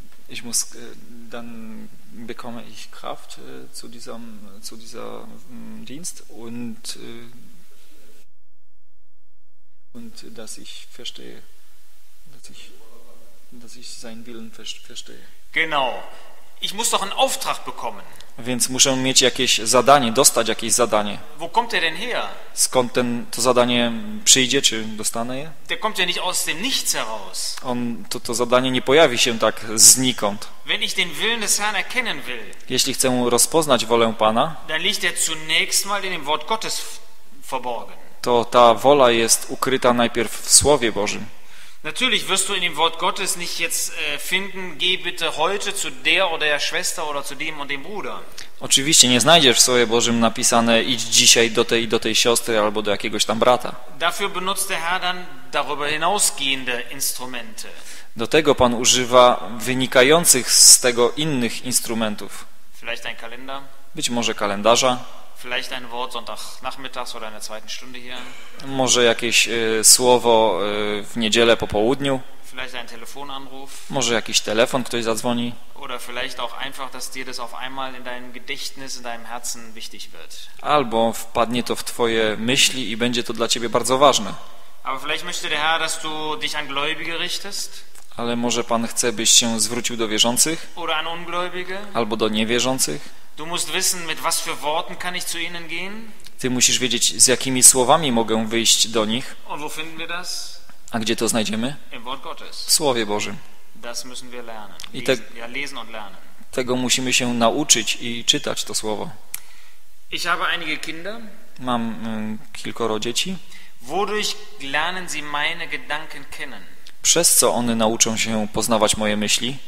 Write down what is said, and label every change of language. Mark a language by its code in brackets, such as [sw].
[de] Ich muss dann bekomme ich Kraft zu dieser Dienst und dass ich verstehe, dass ich seinen Willen verstehe. Genau. Ich muss doch einen Auftrag bekommen. [pl] Więc muszę mieć jakieś zadanie, dostać jakieś zadanie. [de] Wo kommt er denn her? [pl] Skąd to zadanie przyjdzie, czy dostanę je? [de] Der kommt ja nicht aus dem Nichts heraus. [pl] To zadanie nie pojawi się tak znikąd. [de] Wenn ich den Willen des Herrn erkennen will, [pl] jeśli chcę rozpoznać wolę Pana, [de] dann liegt er zunächst mal in dem Wort Gottes verborgen. [pl] To ta wola jest ukryta najpierw w Słowie Bożym. [de] Natürlich wirst du in dem Wort Gottes nicht jetzt finden, geh bitte heute zu der oder der Schwester oder zu dem und dem Bruder. [pl] Oczywiście nie znajdziesz w Słowie Bożym napisane idź dzisiaj do tej siostry albo do jakiegoś tam brata. [de] Dafür benutzt der Herr dann darüber hinausgehende Instrumente. [pl] Do tego Pan używa wynikających z tego innych instrumentów. [de] Vielleicht ein Kalender? [pl] Być może kalendarza. [de] Vielleicht ein Wort sonntagnachmittags oder in der zweiten Stunde hier. [pl] Może jakieś słowo w niedzielę po południu. [de] Vielleicht ein Telefonanruf. [pl] Może jakiś telefon, ktoś zadzwoni. [de] Oder vielleicht auch einfach, dass dir das auf einmal in deinem Gedächtnis, in deinem Herzen wichtig wird. [pl] Albo wpadnie to w twoje myśli i będzie to dla ciebie bardzo ważne. [de] Aber vielleicht möchte der Herr, dass du dich an Gläubige richtest. [pl] Ale może Pan chce, byś się zwrócił do wierzących? [de] Oder an Ungläubige. [pl] Albo do niewierzących? [de] Du musst wissen, mit was für Worten kann ich zu ihnen gehen? [pl] Ty musisz wiedzieć, z jakimi słowami mogę wyjść do nich. [de] Und wo finden wir das? [pl] A gdzie to znajdziemy? [de] Im Wort Gottes. [pl] W Słowie Bożym. [de] Das müssen wir lernen. Lesen und lernen. [pl] Tego musimy się nauczyć i czytać to słowo. [de] Ich habe einige Kinder. [pl] Mam kilkoro dzieci. [de] Wodurch lernen sie meine Gedanken kennen? [pl] Przez co one nauczą się poznawać moje myśli?